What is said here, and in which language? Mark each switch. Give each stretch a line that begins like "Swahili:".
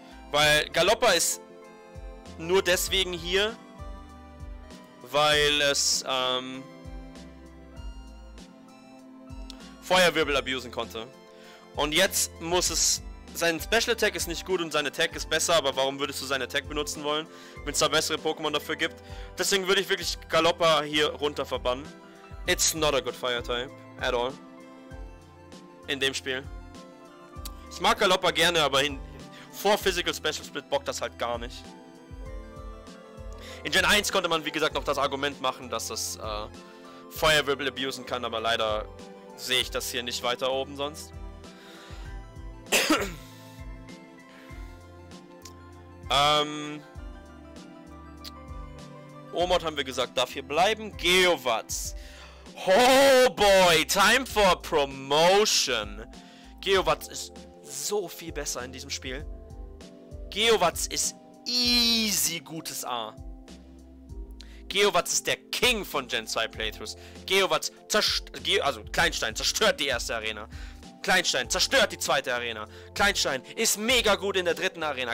German: Weil Galoppa ist nur deswegen hier, weil es Feuerwirbel abusen konnte. Und jetzt muss es... Sein Special Attack ist nicht gut und sein Attack ist besser, aber warum würdest du seinen Attack benutzen wollen, wenn es da bessere Pokémon dafür gibt? Deswegen würde ich wirklich Galoppa hier runter verbannen.
English: It's not a good Fire Type at all.
German: In dem Spiel. Ich mag Galoppa gerne, aber vor Physical Special Split bockt das halt gar nicht. In Gen 1 konnte man, wie gesagt, noch das Argument machen, dass das Feuerwirbel abusen kann, aber leider sehe ich das hier nicht weiter oben sonst. Omot haben wir gesagt, darf hier bleiben. Geowatz.
English: Oh boy, time for promotion.
German: Geowatz ist so viel besser in diesem Spiel. Geowatz ist easy gutes A. Geowatz ist der King von Gen 2 Playthroughs. Geowatz Kleinstein zerstört die erste Arena. Kleinstein zerstört die zweite Arena. Kleinstein ist mega gut in der dritten Arena.